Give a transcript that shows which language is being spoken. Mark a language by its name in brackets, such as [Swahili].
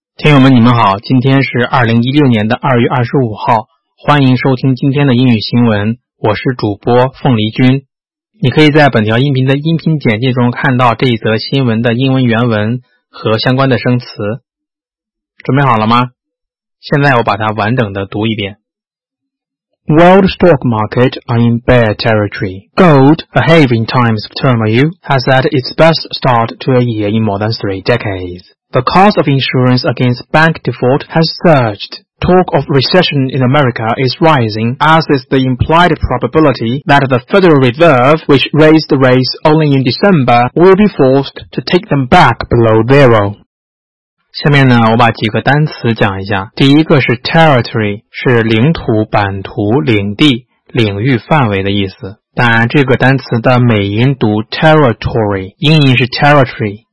[Chinese] 听友们你们好，今天是2016年的2月25号，欢迎收听今天的英语新闻，我是主播凤梨君。你可以在本条音频的音频简介中看到这一则新闻的英文原文和相关的生词。准备好了吗？现在我把它完整的读一遍。 [English] World stock market are in bear territory. Gold, ahead in times of turmoil, has had its best start to a year in more than 3 decades. The cost of insurance against bank default has surged. Talk of recession in America is rising, as is the implied probability that the Federal Reserve, which raised the rates only in December, will be forced to take them back below zero. [Chinese] 下面呢，我把几个单词讲一下。第一个是 territory， 是领土、版图、领地、领域、范围的意思。但这个单词的美音读 territory， 英音是 territory。